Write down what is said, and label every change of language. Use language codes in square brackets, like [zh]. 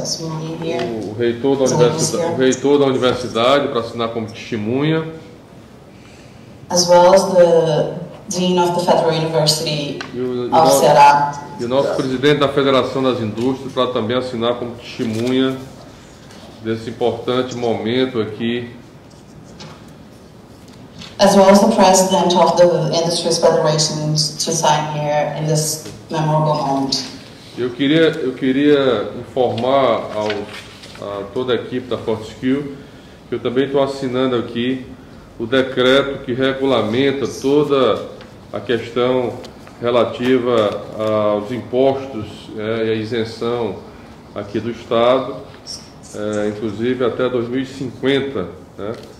[pt] O reitor da universidade para assinar como testemunha. [en] As well as the Dean of the Federal University of Ceará. [pt] E o nosso presidente da Federação das Indústrias para também assinar como testemunha desse importante momento aqui. [en] As well as the President of the Industries Federation to sign here in this memorable moment. [pt] Eu queria informar a toda a equipe da Fortescue que eu também estou assinando aqui o decreto que regulamenta toda a questão relativa aos impostos e à isenção aqui do Estado, inclusive até 2050. Né?